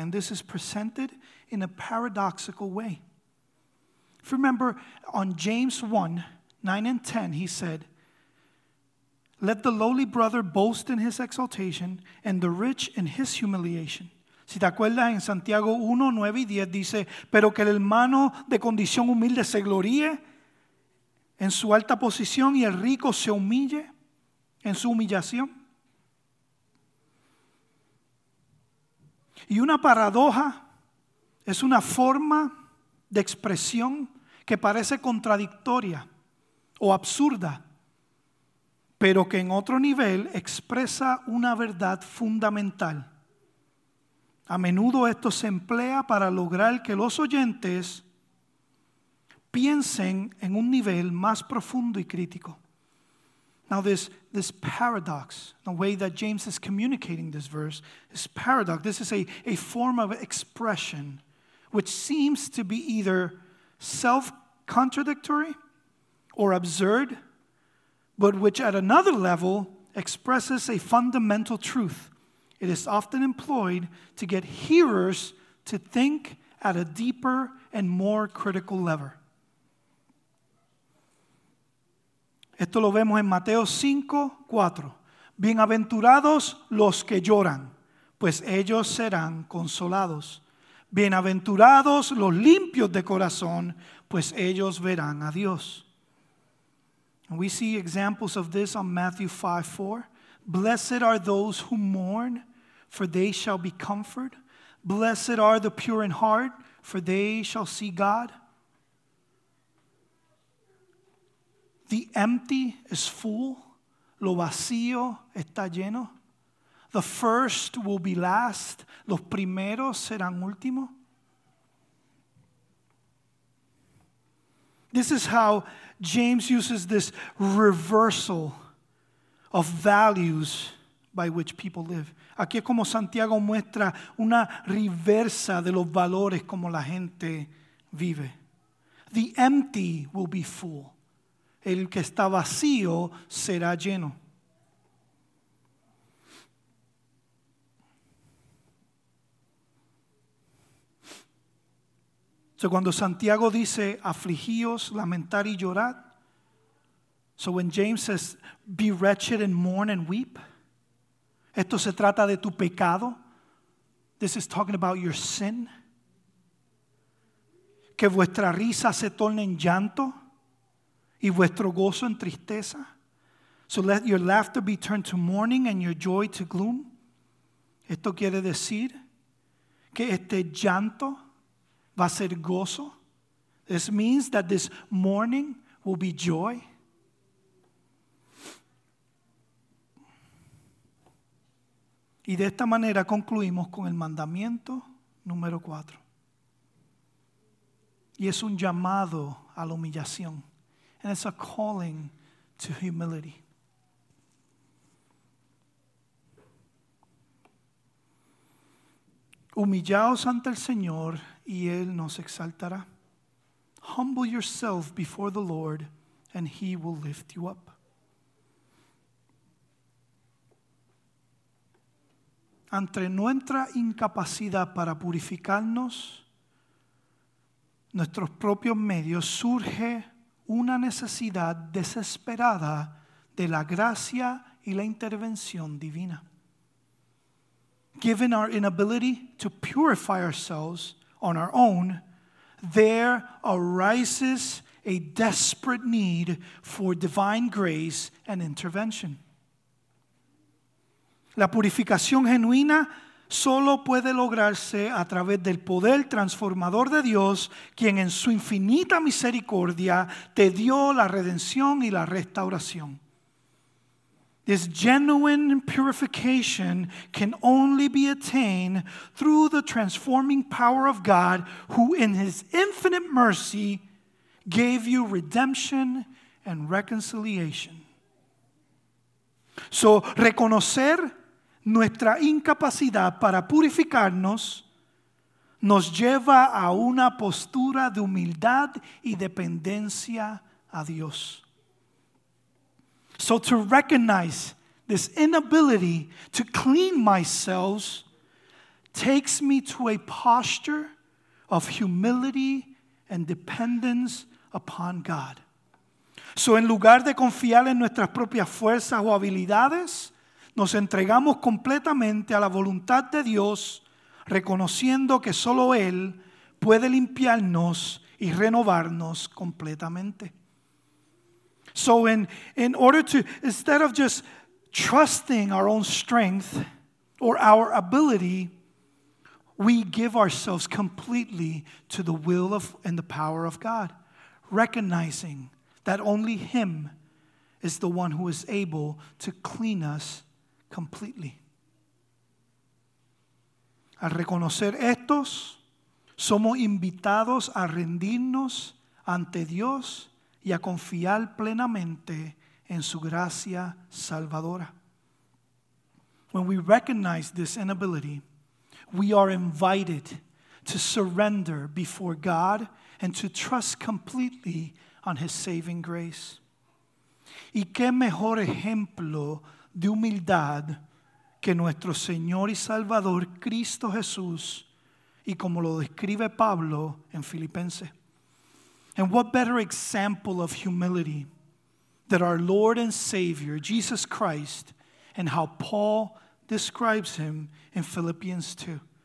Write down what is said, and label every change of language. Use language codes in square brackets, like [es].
[en] And this is presented in a paradoxical way. If you remember, on James 1, 9 and 10, he said, "Let the lowly brother boast in his exaltation, and the rich in his humiliation." [es] Si te acuerdas, en Santiago 1, 9 y 10, dice, "Pero que el hermano de condición humilde se gloríe en su alta posición, y el rico se humille en su humillación." Y una paradoja Es una forma de expresión que parece contradictoria o absurda, pero que en otro nivel expresa una verdad fundamental. A menudo esto se emplea para lograr que los oyentes piensen en un nivel más profundo y crítico. [en] Now this paradox, the way that James is communicating this verse, is paradox. This is a form of expression which seems to be either self-contradictory or absurd, but which at another level expresses a fundamental truth. It is often employed to get hearers to think at a deeper and more critical level. [es] Esto lo vemos en Mateo 5, 4. Bienaventurados los que lloran, pues ellos serán consolados. Bienaventurados los limpios de corazón, pues ellos verán a Dios. [en] And we see examples of this on Matthew 5, 4. Blessed are those who mourn, for they shall be comforted. Blessed are the pure in heart, for they shall see God. The empty is full, [es] lo vacío está lleno. [en] The first will be last, [es] los primeros serán último. [en] This is how James uses this reversal of values by which people live. [es] Aquí es como Santiago muestra una reversa de los valores como la gente vive. [en] The empty will be full. [es] El que está vacío será lleno. So cuando Santiago dice afligíos, lamentar y llorar, [en] so when James says be wretched and mourn and weep, [es] esto se trata de tu pecado. [en] This is talking about your sin. [es] Que vuestra risa se torne en llanto y vuestro gozo en tristeza. [en] So let your laughter be turned to mourning and your joy to gloom. [es] Esto quiere decir que este llanto va a ser gozo. [en] This means that this mourning will be joy. [es] Y de esta manera concluimos con el mandamiento número 4. Y es un llamado a la humillación. [en] And it's a calling to humility. [es] Humillaos ante el Señor y Él nos exaltará. [en] Humble yourself before the Lord and He will lift you up. [es] Ante nuestra incapacidad para purificarnos, nuestros propios medios, surge una necesidad desesperada de la gracia y la intervención divina. [en] Given our inability to purify ourselves on our own, there arises a desperate need for divine grace and intervention. [es] La purificación genuina solo puede lograrse a través del poder transformador de Dios, quien en su infinita misericordia te dio la redención y la restauración. [en] This genuine purification can only be attained through the transforming power of God, who in His infinite mercy gave you redemption and reconciliation. [es] So, reconocer nuestra incapacidad para purificarnos nos lleva a una postura de humildad y dependencia a Dios. [en] So to recognize this inability to clean myself takes me to a posture of humility and dependence upon God. [es] So en lugar de confiar en nuestras propias fuerzas o habilidades, nos entregamos completamente a la voluntad de Dios, reconociendo que solo Él puede limpiarnos y renovarnos completamente. [en] So in order to, instead of just trusting our own strength or our ability, we give ourselves completely to the will of and the power of God, recognizing that only Him is the one who is able to clean us completely. [es] Al reconocer estos, somos invitados a rendirnos ante Dios y a confiar plenamente en su gracia salvadora. [en] When we recognize this inability, we are invited to surrender before God and to trust completely on His saving grace. [es] ¿Y qué mejor ejemplo de humildad que nuestro Señor y Salvador Cristo Jesús y como lo describe Pablo en Filipenses? [en] And what better example of humility that our Lord and Savior, Jesus Christ, and how Paul describes Him in Philippians 2.